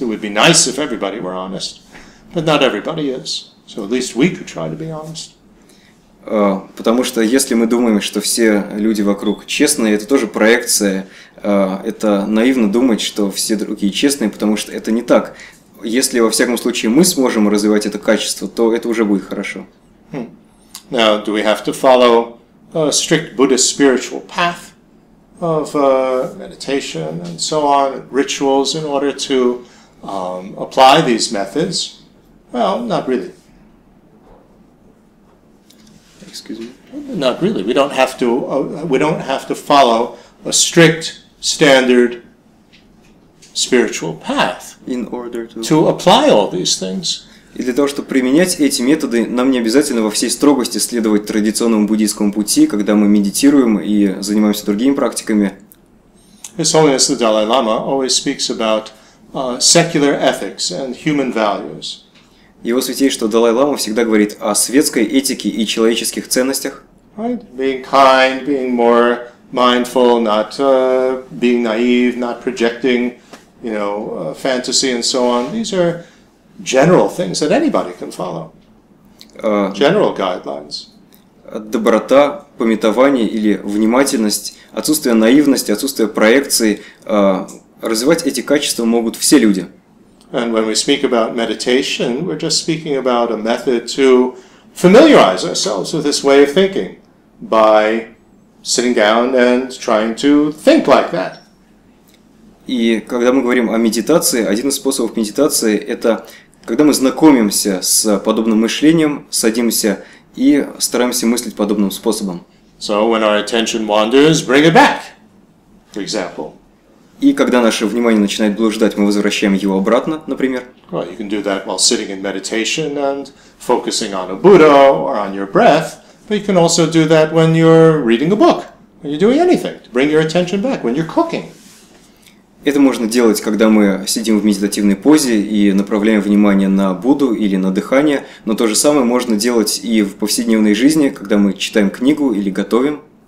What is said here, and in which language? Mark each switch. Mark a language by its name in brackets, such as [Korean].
[English] It would be nice if everybody were honest. But not everybody is. So at least we could try to be honest. [Russian] Потому что если мы думаем, что все люди вокруг честные, это тоже проекция. Это наивно думать, что все другие честные, потому что это не так. Если во всяком случае мы сможем развивать это качество, то это уже будет хорошо. [English] Hmm. Now, do we have to follow a strict Buddhist spiritual path of meditation and so on, rituals in order to apply these methods? Well, not really. Excuse me. Not really. We don't have to. We don't have to follow a strict, standard spiritual path in order to apply all these things. [Russian] И для того, чтобы применять эти методы, нам не обязательно во всей строгости следовать традиционному буддийскому пути, когда мы медитируем и занимаемся другими практиками. [English] His Holiness the Dalai Lama always speaks about secular ethics and human values. [Russian] Его святейшество Далай-лама всегда говорит о светской этике и человеческих ценностях. [English] Right? Being kind, being more mindful, not being naive, not projecting, you know, fantasy and so on. These are general things that anybody can follow. General guidelines. [Russian] Доброта, памятование или внимательность, отсутствие наивности, отсутствие проекции. Развивать эти качества могут все люди. [English] And when we speak about meditation, we're just speaking about a method to familiarize ourselves with this way of thinking by sitting down and trying to think like that. [Russian] И когда мы говорим о медитации, один из способов медитации – это когда мы знакомимся с подобным мышлением, садимся и стараемся мыслить подобным способом. [English] So when our attention wanders, bring it back, for example. [Russian] И когда наше внимание начинает блуждать, мы возвращаем его обратно, например. [English] Well, you can do that while sitting in meditation and focusing on a Buddha or on your breath, but you can also do that when you're reading a book, when you're doing anything, to bring your attention back, when you're cooking. [Russian] Это можно делать, когда мы сидим в медитативной позе и направляем внимание на Будду или на дыхание, но то же самое можно делать и в повседневной жизни, когда мы читаем книгу или готовим.